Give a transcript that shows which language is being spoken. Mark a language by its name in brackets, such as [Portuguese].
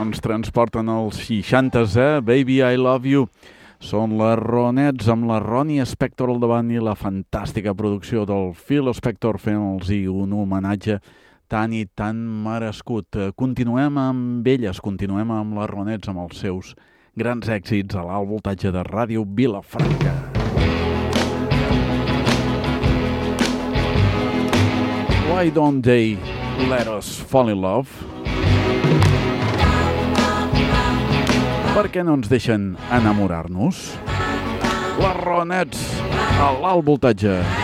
[Catalan] transporten al 60è Baby I Love You. Són les Ronettes amb la Ronnie Spector al davant i la fantàstica producció del Phil Spector fent-los un homenatge tan i tan merescut. Continuem amb elles, continuem amb les Ronettes amb els seus grans èxits a l'alt voltatge de Ràdio Vilafranca. [English] Why don't they let us fall in love? [Catalan] Per què no ens deixen enamorar-nos? Les Ronettes a l'alt voltatge.